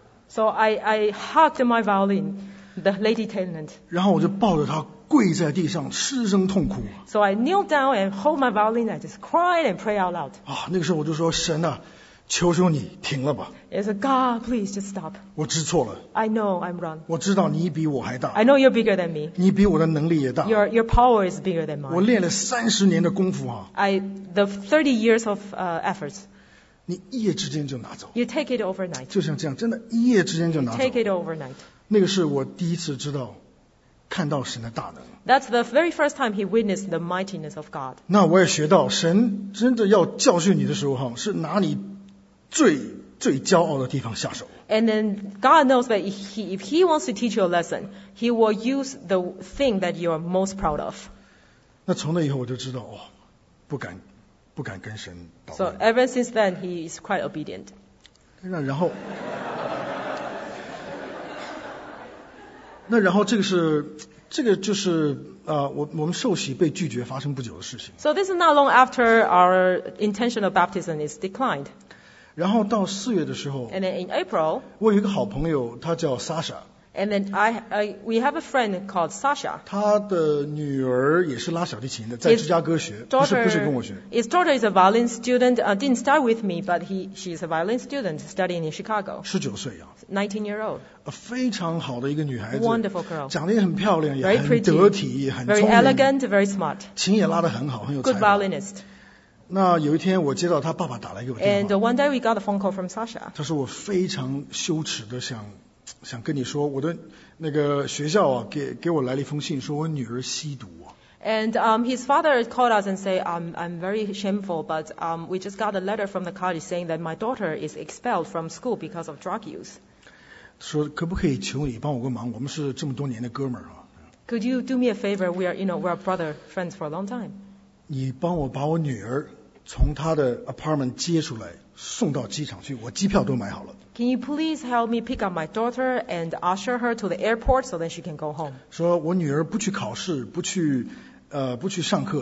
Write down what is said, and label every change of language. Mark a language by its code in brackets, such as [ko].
[en] So I hugged my violin the Lady Tender [zh] 然后我就抱着它跪在地上失声痛哭 [en] So I kneeled down and hold my violin I just cried and prayed out loud、 [zh] 哦、那个时候我就说神啊求求你停了吧 [en] It's a God, please just stop. [zh] 我知错了 [en] I know I'm wrong [zh] 我知道你比我还大 [en] I know you're bigger than me [zh] 你比我的能力也大 [en] Your power is bigger than mine [zh] 我练了30年的功夫啊 [en] The 30 years of efforts [zh] 你一夜之间就拿走 [en] You take it overnight [zh] 就像这样真的一夜之间就拿走 [en] You take it overnight [zh] 那个是我第一次知道看到神的大能 [en] That's the very first time he witnessed the mightiness of God [zh] 那我也学到神真的要教训你的时候是拿你最最骄傲的地方下手。 [en] And then God knows that if he wants to teach you a lesson, he will use the thing that you are most proud of. [zh] 那从那以后我就知道，哦，不敢跟神祷告。 [en] So ever since then, he is quite obedient. [zh] 然后，那然后这个就是我们受洗被拒绝发生不久的事情。 [en] So this is not long after our intentional baptism is declined. [zh] 然后到四月的时候 [en] and then in April, [zh] 我有一个好朋友他叫 Sasha [en] and then we have a friend called Sasha [zh] 他的女儿也是拉小提琴的在芝加哥学 不是跟我学 [en] his daughter is a violin student didn't start with me but she's a violin student studying in Chicago [zh] 19 岁啊 [en] 19 year old [zh] 非常好的一个女孩子 [en] wonderful girl [zh] 长得也很漂亮 [en] very pretty, [zh] 也很得体也很聪明 [en] very elegant, very smart [zh] 琴也拉得很好很有才 [en] good violinist [zh] 那有一天我接到他爸爸打来给我电话 [en] and one day we got a phone call from Sasha [zh] 他说我非常羞耻的想跟你说我的那个学校啊给我来了一封信说我女儿吸毒、啊、 [en] and his father called us and said I'm very shameful but we just got a letter from the college saying that my daughter is expelled from school because of drug use [zh] 说可不可以求你帮我个忙我们是这么多年的哥们儿啊 [en] could you do me a favor we are you know we're brother friends for a long time [zh] 你帮我把我女儿从她的 apartment 接出来送到机场去我机票都买好了 [en] Can you please help me pick up my daughter and usher her to the airport so that she can go home [zh] 说我女儿不去考试不去上课